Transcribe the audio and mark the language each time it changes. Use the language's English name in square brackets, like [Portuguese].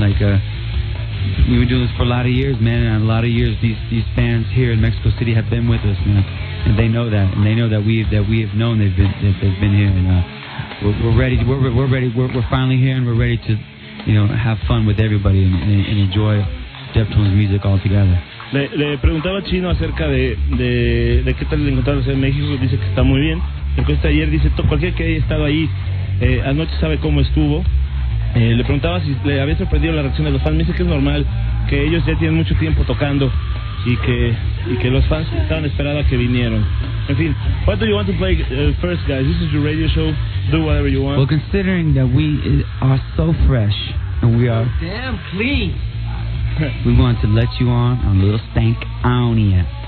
[English] Like, we've been doing this for a lot of years, man, and a lot of years these fans here in Mexico City have been with us, man. And they know that. And they know that we have known they've been here. And we're ready. We're ready. We're finally here, and we're ready to, you know, have fun with everybody and enjoy Deftones music all together. [Spanish] Le preguntaba a Chino acerca de qué tal le encontraron en México. Dice que está muy bien. Porque está ayer, dice, cualquiera que haya estado ahí anoche sabe cómo estuvo. Le preguntaba si le había sorprendido la reacción de los fans. Me dice que es normal, que ellos ya tienen mucho tiempo tocando y que los fans estaban esperando a que vinieron. En fin, [English] what do you want to play first, guys? This is your radio show. Do whatever you want. Well, considering that we are so fresh and we are damn clean, we want to let you on a little stank onia.